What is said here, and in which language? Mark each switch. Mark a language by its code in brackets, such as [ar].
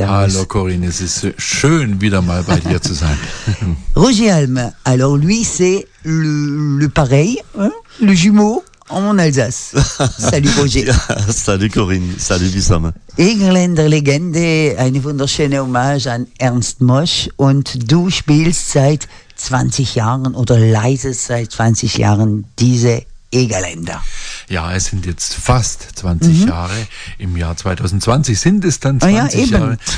[de] Hallo Corinne, es ist schön, wieder mal bei dir zu sein. [fr] Roger Alm, alors lui, c'est le pareil, hein, le jumeau en Alsace. Salut Roger. Salut Corinne, salut Wissam. [de] Egerländer Legende, eine wunderschöne Hommage an Ernst Mosch. Und du spielst seit 20 Jahren oder leitest seit 20 Jahren diese Egerländer. Ja, es sind jetzt fast 20 Jahre. Im Jahr 2020 sind es dann 20 Jahre.